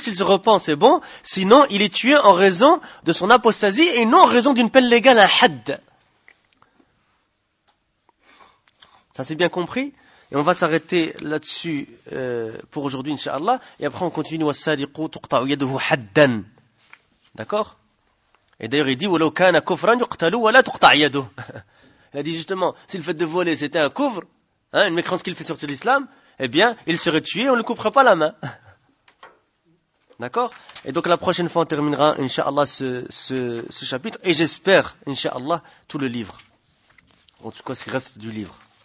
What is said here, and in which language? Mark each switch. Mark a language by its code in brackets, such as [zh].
[fr] S'il se repent, c'est bon. Sinon, il est tué en raison de son apostasie et non en raison d'une peine légale, un had. Ça, c'est bien compris. Et on va s'arrêter là-dessus pour aujourd'hui, inshallah. Et après, on continue. [ar] وَالسَّارِقُ تُقْطَعُ يَدُهُ حَدًّا. [fr] D'accord? Et d'ailleurs, il dit [ar] وَلَوْ كَانَ كُفْرًا يُقْتَلُ وَلَا تُقْطَعْ يَدُهُ. [fr] Il a dit justement, si le fait de voler, c'était un couvre, hein, une mécréance qu'il fait sortir de l'islam, eh bien, il serait tué, on ne le couperait pas la main. D'accord? Et donc, la prochaine fois, on terminera, inshallah, ce chapitre. Et j'espère, inshallah, tout le livre. En tout cas, ce qui reste du livre.